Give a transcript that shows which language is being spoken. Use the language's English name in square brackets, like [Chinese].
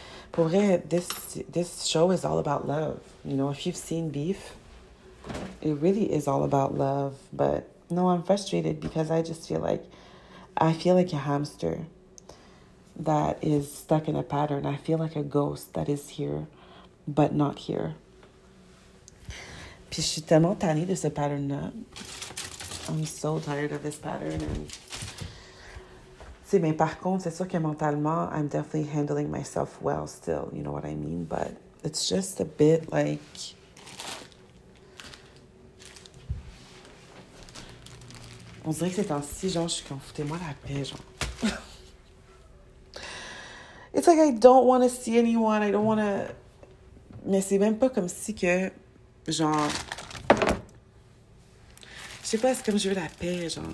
[French] Pour vrai, [English] this show is all about love. If you've seen Beef, it really is all about love. But no, I'm frustrated because I feel like a hamster that is stuck in a pattern. I feel like a ghost that is here, but not here. [French] Puis je suis tellement tannée de ce pattern-là. [English] I'm so tired of this pattern and. [French] Mais par contre, c'est sûr que mentalement, [English] I'm definitely handling myself well still, you know what I mean? But it's just a bit like. [French] On dirait que ces temps-ci, genre, je suis comme, foutez-moi la paix, genre. [English] It's like I don't want to see anyone, I don't want to. [French] Mais c'est même pas comme si que, genre. Je sais pas, c'est comme je veux la paix, genre.